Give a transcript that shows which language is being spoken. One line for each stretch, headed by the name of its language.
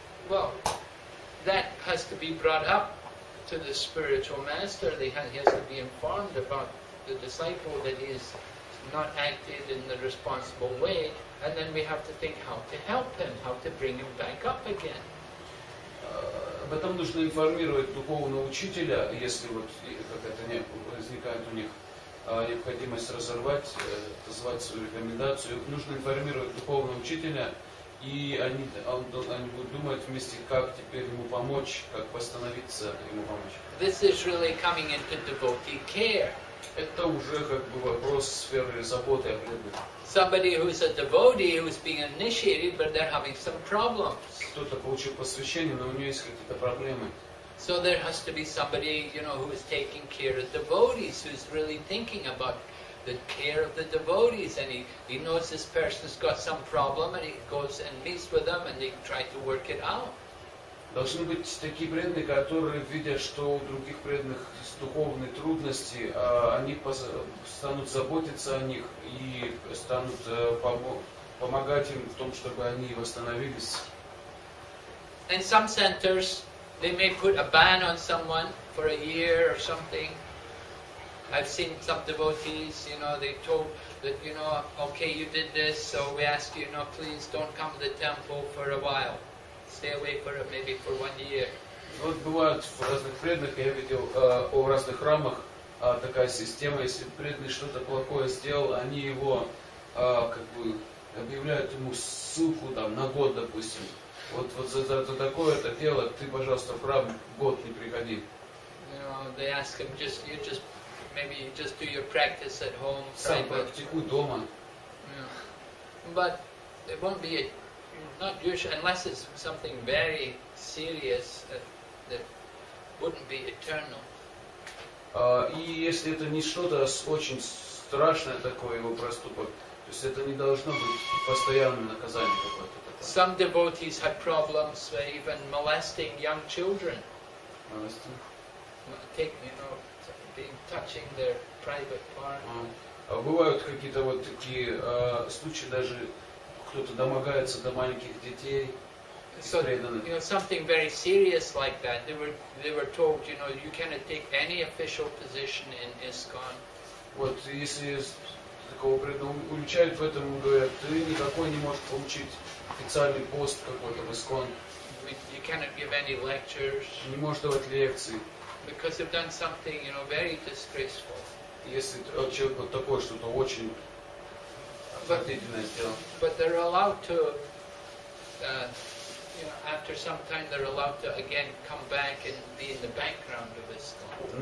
English: Well, that has to be brought up to the spiritual master. He has to be informed about the disciple that he is not acted in the responsible way, and then we have to think how to help him, how to bring him back up again.
Russian: Об этом нужно информировать духовного учителя, если вот какая-то возникает у них необходимость разорвать, позвать свою рекомендацию. Нужно информировать духовного учителя, и они будут думать вместе, как теперь ему помочь, как восстановиться ему помочь.
English: This is really coming into devotee care.
Russian: Это уже как бы вопрос сферы заботы о преданных.
English: Somebody who's a devotee who's being initiated, but they're having some problems.
Russian: Кто-то получил посвящение, но у него есть какие-то проблемы.
English: So there has to be somebody, you know, who is taking care of devotees, who is really thinking about the care of the devotees, and he knows this person's got some problem, and he goes and meets with them, and they try to work it out.
Russian: Должны быть такие преданные, которые, видя, что у других преданных духовные трудности, они станут заботиться о них и станут помогать им в том, чтобы они восстановились.
English: In some centers, they may put a ban on someone for a year or something. I've seen some devotees, you know, they told that, you know, okay, you did this, so we ask you, no, please don't come to the temple for a while. Stay away for maybe for 1 year.
Russian: Вот бывает в разных преданных, я видел в разных храмах такая система, если преданный что-то плохое сделал, они его как бы объявляют ему ссылку там на год, допустим. Вот за такое-то дело, ты, пожалуйста, в храм год не приходи.
English: You know, they ask him, maybe you just do your practice at home.
Russian: Сам практикуй дома.
English: But it won't be, not usually, unless it's something very serious, that wouldn't be eternal.
Russian: И если это не что-то очень страшное такое, его проступок, то есть это не должно быть постоянным наказанием какое-то.
English: Some devotees had problems with even molesting young children. Molesting? Touching their private part.
Russian: Бывают какие-то вот такие случаи, даже кто-то домогается до маленьких детей.
English: So, you know, something very serious like that. They were told, you know, you cannot take any official position in ISKCON.
Russian: Вот, если такого преданного уличают в этом, говорят, ты никакой не можешь получить официальный пост какой-то в ISKCON.
English: You cannot give any lectures.
Russian: Не можешь давать лекции.
English: Because you've done something, you know, very disgraceful.
Russian: Если человек вот такое что-то очень отвратительное сделал.
English: But they're allowed to, you know, after some time they're allowed to again come back and be in the background of ISKCON.